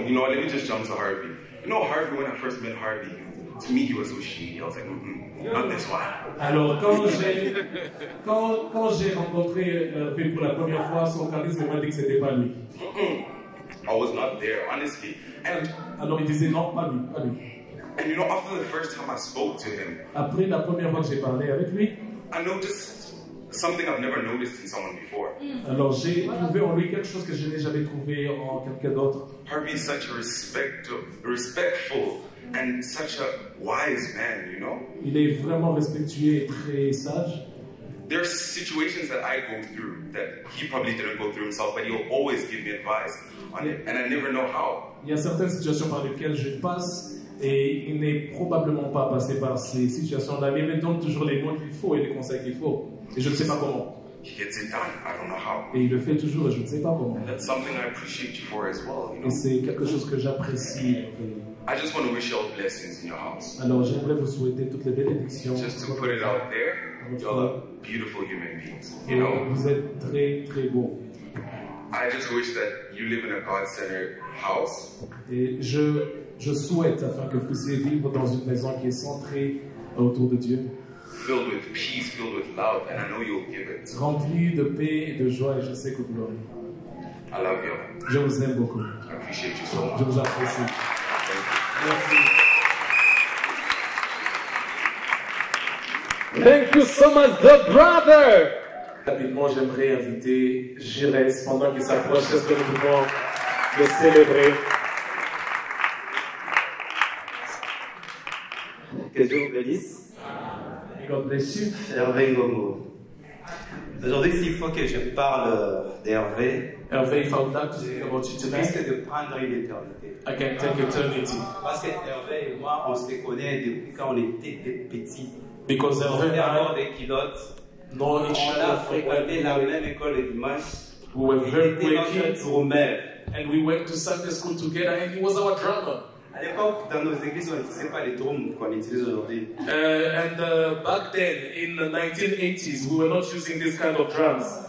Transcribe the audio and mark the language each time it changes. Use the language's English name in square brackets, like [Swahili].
[English] You know, let me just jump to Harvey. You know, Harvey, when I first met Harvey, to me, he was so shiny. I was like, not this one. [French] Alors, quand j'ai rencontré Phil pour la première fois, son charisme m'a dit que c'était pas lui. [English] I was not there, honestly. And [French] alors, il disait, non, pas lui. [English] And you know, after the first time I spoke to him, [French] après la première fois que j'ai parlé avec lui, [English] I noticed something I've never noticed in someone before. [French] Alors j'ai trouvé en lui quelque chose que je n'ai jamais trouvé en quelqu'un d'autre. [English] Harvey is such a respectful and such a wise man, you know. [French] Il est vraiment respectueux et très sage. [English] There are situations that I go through that he probably didn't go through himself, but he'll always give me advice on it, and I never know how. [French] Il y a certaines situations par lesquelles je passe et il n'est probablement pas passé par ces situations-là, mais il me donne toujours les mots qu'il faut et les conseils qu'il faut. Et je ne sais pas comment. [English] He gets it done. I don't know how. [French] Et il le fait toujours et je ne sais pas comment. [English] And that's something I appreciate you for as well, you know? [French] Et c'est quelque chose que j'apprécie. [English] I just want to wish you all blessings in your house. [French] Alors j'aimerais vous souhaiter toutes les bénédictions. [English] Just to put it out there, y'all are beautiful human beings, you know? [French] Vous êtes très très beaux. [English] I just wish that you live in a God-centered house. [French] Et je souhaite afin que vous puissiez vivre dans une maison qui est centrée autour de Dieu. [English] Filled with peace, filled with love, and I know you'll give it. [French] Rempli de paix et de joie, et je sais que vous l'aurez. [English] I love you. [French] Je vous aime beaucoup. [English] I appreciate you so much. [French] Je vous apprécie. [English] Thank you. [French] Merci. [English] Thank you so much, the brother. [French] Rapidement, j'aimerais inviter Jerez pendant qu'il s'approche, est-ce que nous pouvons le célébrer. Que Dieu vous bénisse. Hervé Ngongo. Aujourd'hui, s'il faut que je parle d'Hervé, Hervé, il faut que je parle de tout risque de prendre une éternité. [English] I can take eternity. [French] Parce que Hervé et moi, on se connaît depuis quand on était des petits. [English] Because Hervé [French] et moi, des kilotes, on a fréquenté la même école de dimanche. [English] We were very quick drummer. And we went to Sunday school together and he was our drummer. [French] À l'époque, dans nos églises, on n'utilisait pas les drums qu'on utilise aujourd'hui. [English] Back then, in the 1980s, we were not using this kind of drums.